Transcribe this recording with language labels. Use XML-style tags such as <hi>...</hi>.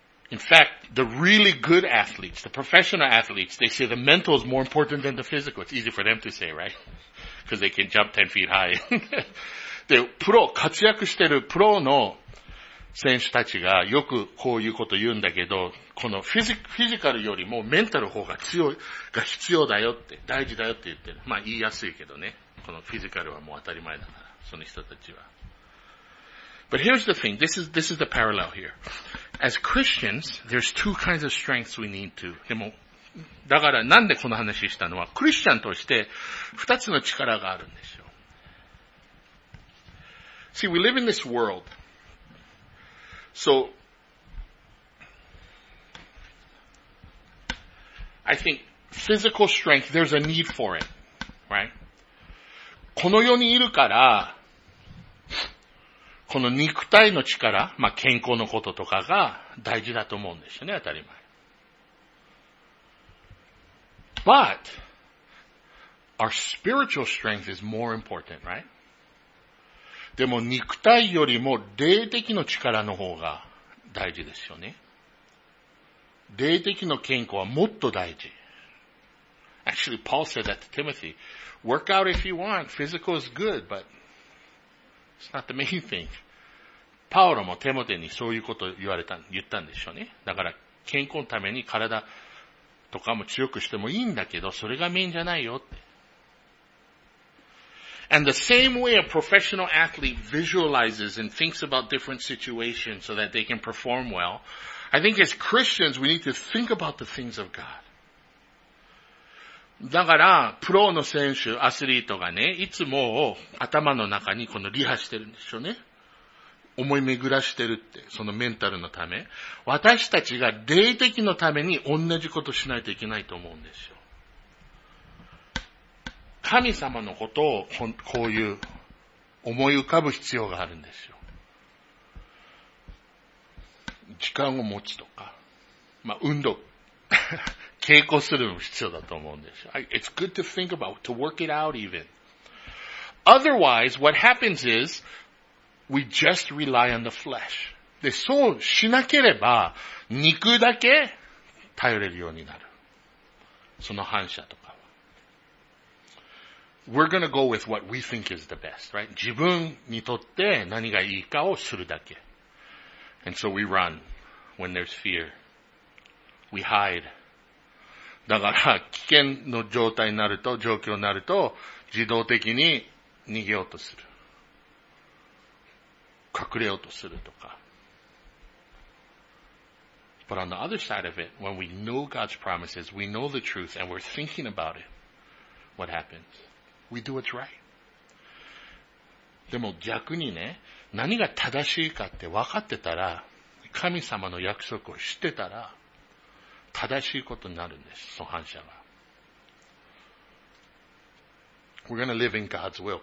<en>In fact, the really good athletes, the professional athletes, they say the mental is more important than the physical. It's easy for them to say, right? Because they can jump 10 feet high.</en> <ja>で、プロ、活躍してるプロの選手たちがよくこういうこと言うんだけど、このフィジカルよりもメンタル方が強い、が必要だよって、大事だよって言ってる。まあ言いやすいけどね。このフィジカルはもう当たり前だから、その人たちは。</ja> <en>But here's the thing, this is the parallel here. As Christians, there's two kinds of strengths we need to.</en> <ja>でも、だからなんでこの話したのは、クリスチャンとして二つの力があるんですよ。</ja> <en>See, we live in this world. So, I think physical strength, there's a need for it, right?</en> <ja>この世にいるから、この肉体の力、まあ、健康のこととかが大事だと思うんですよね、当たり前。</ja> <en>But, our spiritual strength is more important, right?</en> <ja>でも肉体よりも霊的の力の方が大事ですよね。霊的の健康はもっと大事。</ja> <en>Actually, Paul said that to Timothy. Work out if you want. Physical is good, but it's not the main thing.</en> <ja>パウロもテモテにそういうこと言ったんでしょうね。だから健康のために体とかも強くしてもいいんだけど、それがメインじゃないよって。</ja> <en>And the same way a professional athlete visualizes and thinks about different situations so that they can perform well, I think as Christians we need to think about the things of God.</en> <ja>だから、プロの選手、アスリートがね、いつも頭の中にこのリハしてるんでしょうね。思い巡らしてるって、そのメンタルのため。私たちが霊的のために同じことしないといけないと思うんですよ。神様のことをこういう思い浮かぶ必要があるんですよ。時間を持つとか、まあ、運動、稽古するのも必要だと思うんですよ。</ja> <en>It's good to think about, to work it out even. Otherwise, what happens is,We just rely on the flesh.</en> <ja>で、そうしなければ、肉だけ頼れるようになる。その反射とかは。</ja> <en>We're gonna go with what we think is the best, right?</en> <ja>自分にとって何がいいかをするだけ。</ja> <en>And so we run when there's fear. We hide.</en> <ja>だから、危険の状態になると、状況になると、自動的に逃げようとする。隠れようとするとか。</ja> <en>But on the other side of it, when we know God's promises, we know the truth, and we're thinking about it, what happens? We do what's right.</en> <ja>でも逆にね、何が正しいかって分かってたら、神様の約束を知ってたら、正しいことになるんです、その反射は。</ja> <en>We're gonna live in God's will.</en>